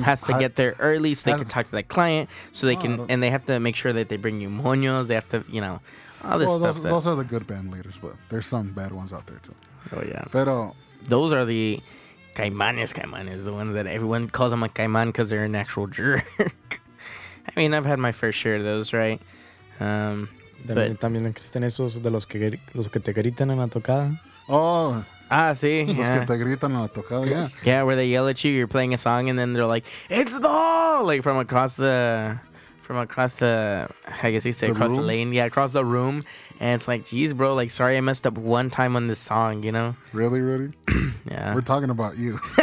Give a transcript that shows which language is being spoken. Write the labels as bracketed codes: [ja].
[en] has to get there early so they can talk to that client, so they can, and they have to make sure that they bring you moños. They have to, you know, All this stuff. Those are the good band leaders, but there's some bad ones out there too. Oh yeah. [es] Pero [en] those are the caimanes, the ones that everyone calls them a caiman because they're an actual jerk. I mean, I've had my fair share of those, right? [es] También existen esos de los que te gritan en la tocada. Oh. Ah, sí. Los que te gritan en la tocada, [en] yeah. Yeah, where they yell at you, you're playing a song, and then they're like, "It's the like from across the." From across the, I guess you say across the lane. Yeah, across the room. And it's like, geez, bro, like, sorry I messed up one time on this song, you know? Really, really? Yeah. We're talking about you.